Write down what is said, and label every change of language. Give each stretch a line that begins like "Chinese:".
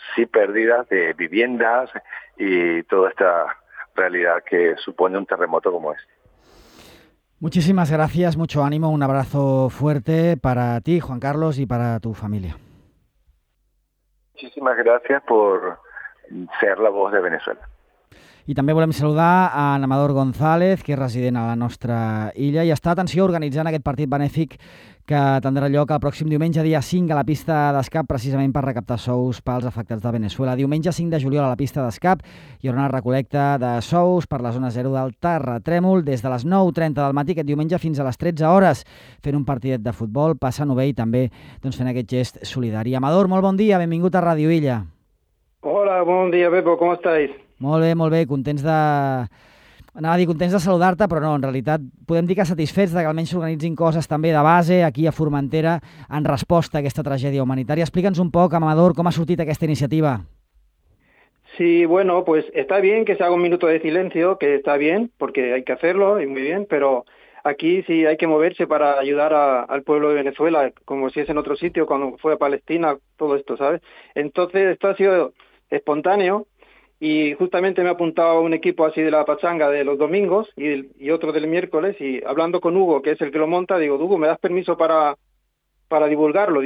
Spanish: Sí pérdidas de viviendas y toda esta realidad que supone un terremoto como este. Muchísimas gracias, mucho ánimo, un abrazo fuerte para ti, Juan Carlos, y para tu familia. Muchísimas gracias por ser la voz de Venezuela.
Catalan: I també volem saludar a Amador González, que és resident a la nostra illa i està, atenció, organitzant aquest partit benèfic que tindrà lloc el pròxim diumenge, dia 5, a la pista d'escap, precisament per recaptar sous pels afectats de Venezuela. Diumenge 5 de juliol a la pista d'escap hi haurà una recol·lecta de sous per la zona 0 del terratrèmol des de les 9:30 del matí aquest diumenge fins a les 13 hores, fent un partidet de futbol, passant-ho bé i també fent aquest gest solidari. Amador, molt bon dia, benvingut a Ràdio Illa. Hola, bon dia, Pepo, com estàs? Molt bé, contents de saludar-te, però no, en realitat podem dir que satisfets de que almenys s'organitzin coses també de base aquí a Formentera en resposta a aquesta tragèdia humanitària. Explica'ns un poc, Amador, com ha sortit aquesta iniciativa.
Spanish: Sí, bueno, pues está bien que se haga un minuto de silencio, que está bien, porque hay que hacerlo, y muy bien, pero aquí sí hay que moverse para ayudar al pueblo de Venezuela, como si es en otro sitio, cuando fue a Palestina, todo esto, ¿sabes? Entonces esto ha sido espontáneo, y justamente me apuntaba un equipo así de la pachanga de los domingos y otro del miércoles, y hablando con Hugo, que es el que lo monta, digo, Hugo, ¿me das permiso para divulgarlo?